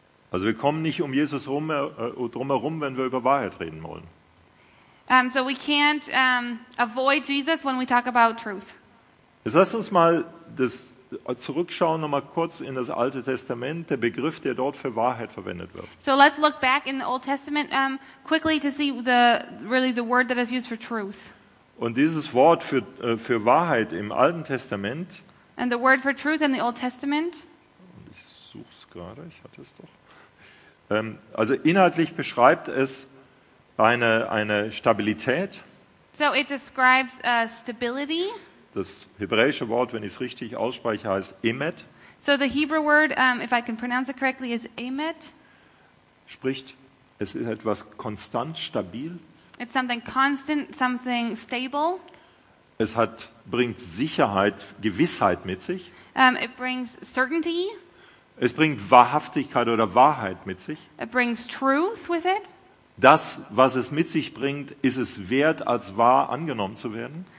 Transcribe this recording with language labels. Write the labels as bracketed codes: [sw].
[de] Also wir kommen nicht um Jesus rum drumherum, wenn wir über Wahrheit reden wollen. [en] So we can't avoid Jesus when we talk about truth. [de] Jetzt lass uns mal das zurückschauen noch mal kurz in das Alte Testament, der Begriff, der dort für Wahrheit verwendet wird. [en] So let's look back in the Old Testament quickly to see the word that is used for truth. [de] Und dieses Wort für Wahrheit im Alten Testament. [en] And the word for truth in the Old Testament. [de] Ich such's gerade, ich hatte es doch. Also inhaltlich beschreibt es eine Stabilität. [en] So it describes a stability. [de] Das hebräische Wort, wenn ich es richtig ausspreche, heißt emet. [en] So the Hebrew word, if I can pronounce it correctly, is emet. [de] Spricht, es ist etwas konstant, stabil. [en] It's something constant, something stable. [de] Es bringt Sicherheit, Gewissheit mit sich. [en] It brings certainty. [de] Es bringt Wahrhaftigkeit oder Wahrheit mit sich. [en] It brings truth with it. [de] Das, was es mit sich bringt, ist es wert, als wahr angenommen zu werden.